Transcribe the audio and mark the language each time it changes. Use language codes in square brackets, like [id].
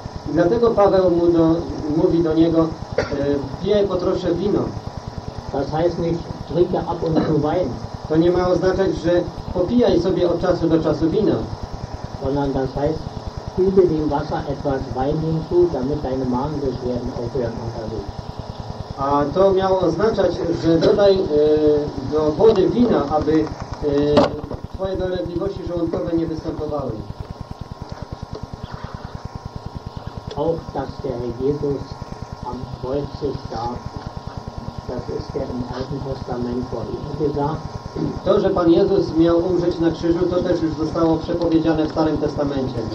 [pl] I dlatego Paweł mówi do niego, pij po trosze wino. [de] Das heißt nicht, trinke ab und zu Wein. [pl] To nie ma oznaczać, że popijaj sobie od czasu do czasu wino. [de] Sondern das heißt, füge dem Wasser etwas Wein hinzu, damit deine Magenbeschwerden aufhören unterwegs. [pl] A to miało oznaczać, że dodaj do wody wina, aby twoje dolegliwości żołądkowe nie występowały. [de] Auch dass der Jesus am Kreuz starb, das ist ja im Alten Testament vorhergesagt. [pl] To, że Pan Jezus miał umrzeć na krzyżu, to też już zostało przepowiedziane w Starym Testamencie.